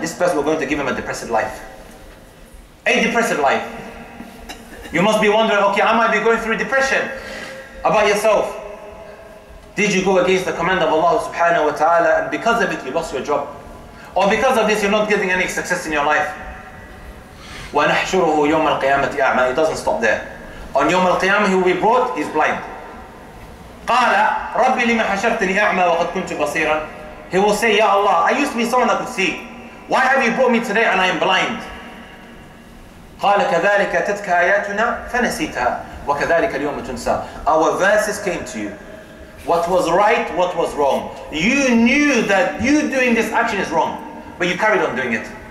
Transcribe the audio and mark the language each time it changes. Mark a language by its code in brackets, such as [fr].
[en] This person, we're going to give him a depressive life. A depressive life. You must be wondering, okay, I might be going through depression. about yourself. Did you go against the command of Allah subhanahu wa ta'ala and because of it you lost your job? Or because of this you're not getting any success in your life? [ar] وَنَحْشُرُهُ يَوْمَ الْقِيَامَةِ أَعْمَى. [en] It doesn't stop there. On يوم القيامة he will be brought, he's blind. [ar] قَالَ رَبِّ لِمَ حَشَرْتَنِي أَعْمَى وَقَدْ كُنْتُ بَصِيرًا. [en] He will say, Ya Allah, I used to be someone that could see. Why have you brought me today and I am blind? [ar] قَالَ كَذَلِكَ تَتْكَ آيَاتُنَا فَنَسِيتَهَا وَكَذَلِكَ الْيَوْمَ تُنْسَى. [en] Our verses came to you. What was right, what was wrong. You knew that you doing this action is wrong, but you carried on doing it.